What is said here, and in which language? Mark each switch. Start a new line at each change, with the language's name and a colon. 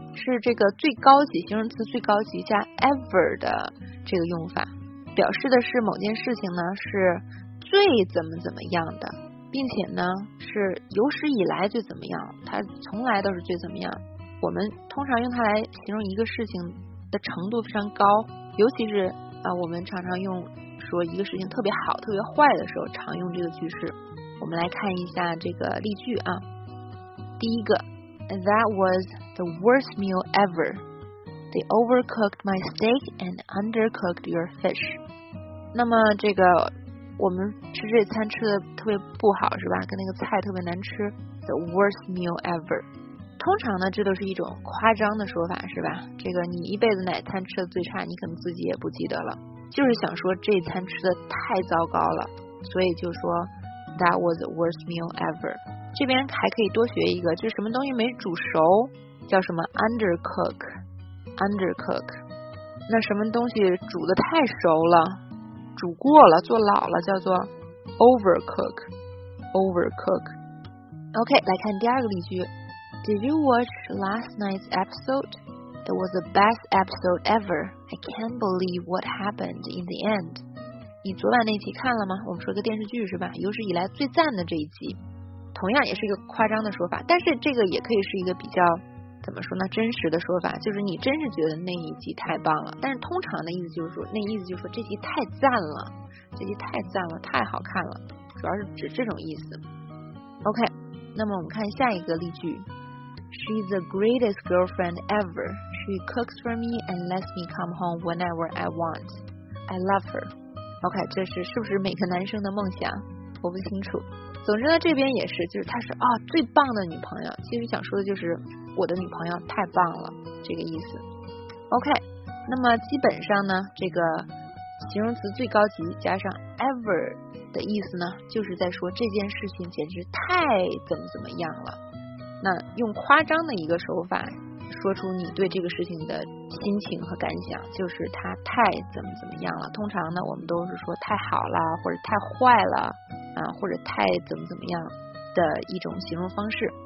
Chinese: 是这个最高级形容词最高级加 ever 的这个用法，表示的是某件事情呢是最怎么怎么样的，并且呢是有史以来最怎么样，它从来都是最怎么样。我们通常用它来形容一个事情的程度非常高，尤其是我们常常用说一个事情特别好特别坏的时候常用这个句式。我们来看一下这个例句啊。
English: 第一个， That was the worst meal ever. They overcooked my steak and undercooked your fish.
Chinese: 那么这个我们吃这餐吃的特别不好是吧，跟那个菜特别难吃，
English: The worst meal ever。
Chinese: 通常呢这都是一种夸张的说法是吧，这个你一辈子哪餐吃的最差你可能自己也不记得了，就是想说这餐吃的太糟糕了，所以就说
English: That was the worst meal ever。
Chinese: 这边还可以多学一个，就是什么东西没煮熟叫什么 undercook， undercook。那什么东西煮的太熟了煮过了做老了叫做 overcook， overcook。 OK， 来看第二个例句。
English: Did you watch last night's episode? It was the best episode ever. I can't believe what happened in the end.
Chinese: 你昨晚那集看了吗？我们说个电视剧是吧，有史以来最赞的这一集，同样也是一个夸张的说法，但是这个也可以是一个比较怎么说呢真实的说法，就是你真是觉得那一集太棒了。但是通常的意思就是说，那意思就是说这集太赞了，这集太赞了太好看了，主要是指这种意思。 OK， 那么我们看下一个例句。
English: She's the greatest girlfriend ever. She cooks for me and lets me come home whenever I want. I love her.
Chinese: OK， 这是不是每个男生的梦想，我不清楚。总之呢这边也是，就是她是最棒的女朋友，其实想说的就是我的女朋友太棒了这个意思。 OK， 那么基本上呢这个形容词最高级加上 ever 的意思呢就是在说这件事情简直太怎么怎么样了，那用夸张的一个手法说出你对这个事情的心情和感想，就是它太怎么怎么样了。通常呢我们都是说太好了或者太坏了或者太怎么怎么样的一种形容方式。